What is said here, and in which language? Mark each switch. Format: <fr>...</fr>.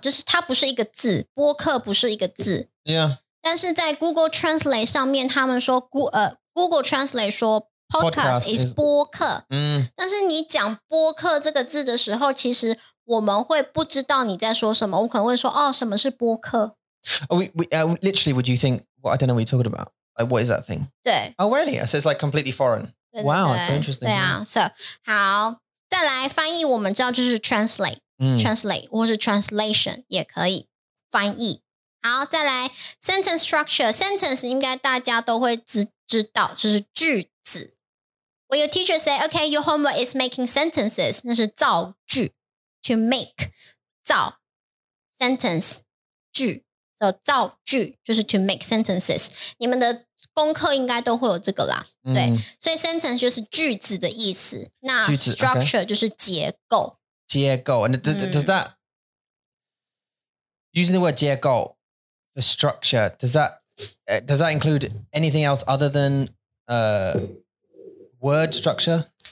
<zh>就是它不是一个字，播客不是一个字。</zh> <en>Yeah.</en> <zh>但是在 Google Translate 上面，他们说 Google Translate 说。</zh> <en>Podcast is</en> <zh>播客、但是你讲播客这个字的时候其实我们会不知道你在说什么我可能会说哦什么是播客</zh> <en>Literally would you think well, I don't know what you're talking about、What is that thing?</en> <zh>对</zh> <en>Oh really? So it's like completely foreign</en> <zh>对对对对</zh> <en>Wow that's so interesting</en> <zh>对啊 So 好再来翻译我们知道就是 translate、Translate 或是 translation 也可以翻译好再来 Sentence structure Sentence 应该大家都会知道就是句</zh> <en>When your teacher say, okay, your homework is making sentences,</en> <zh>那是造句 to make, 造 sentence, 句 So 造句就是</zh> <en>to make sentences.</en> <zh>你们的功课应该都会有这个啦、对。所以 sentence 就是句子的意思。那 structure、</zh> <en>okay.</en> <zh>就是结构。</zh> <en>结构 And does that, using the word 结构 the structure, does that include anything else other than, Word structure?</en>